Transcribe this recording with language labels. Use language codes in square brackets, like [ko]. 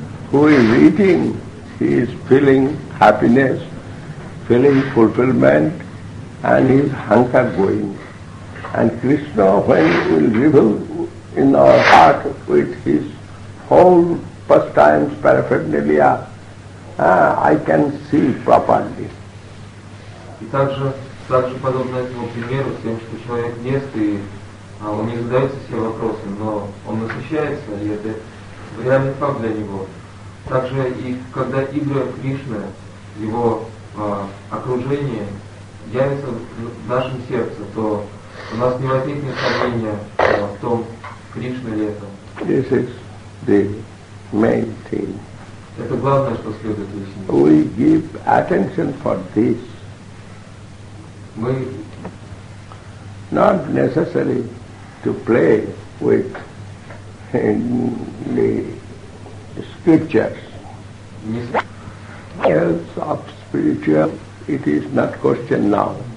[en] Who is eating, he is feeling happiness, feeling fulfillment, and his hunger going. And Krishna, when he will reveal in our heart with his whole pastimes, paraphernalia, I can see properly. [ru] И также подобно этому примеру, с тем, что человек ест, и он не задается все вопросы, но он насыщается, и это реальный факт для него. Также и когда Игра Кришна, его окружение явится в нашем сердце, то у нас не возникнет сомнения в том, Кришна ли это. [en] This is the main thing. [ru] Это главное, что следует выяснить. [en] We give attention for this. [ru] Мы [en] not necessary to play with the scriptures. Yes. Else of spiritual, it is not question now.